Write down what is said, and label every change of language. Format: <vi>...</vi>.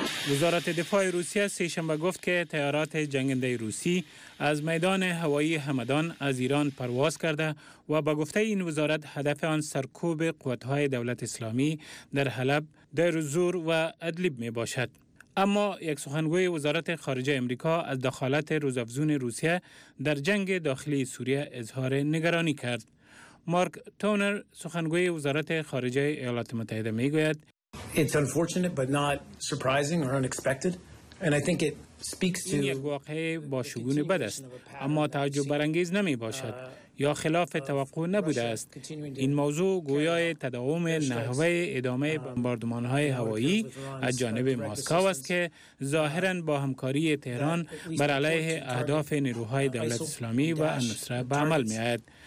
<fa>وزارت دفاع روسیه سه‌شنبه گفت که تیارات جنگنده روسی از میدان هوایی همدان از ایران پرواز کرده و به گفته این وزارت هدف آن سرکوب قوت‌های دولت اسلامی در حلب، دیر زور و ادلب می باشد. اما یک سخنگوی وزارت خارجه آمریکا از دخالت روزافزون روسیه در جنگ داخلی سوریه اظهار نگرانی کرد. مارک تونر سخنگوی وزارت خارجه ایالات متحده می گوید</fa> <en>It's unfortunate but not surprising or unexpected and I think it speaks to</en> <fa>یک واقعه با شگون بد است اما تعجب برانگیز نمی باشد یا خلاف توقع نبوده است. این موضوع گویای تداوم نحوه ادامه بمباردمان‌های هوایی از جانب مسکو است که ظاهراً با همکاری تهران بر علیه اهداف نیروهای دولت اسلامی و النصره به عمل می آید.</fa>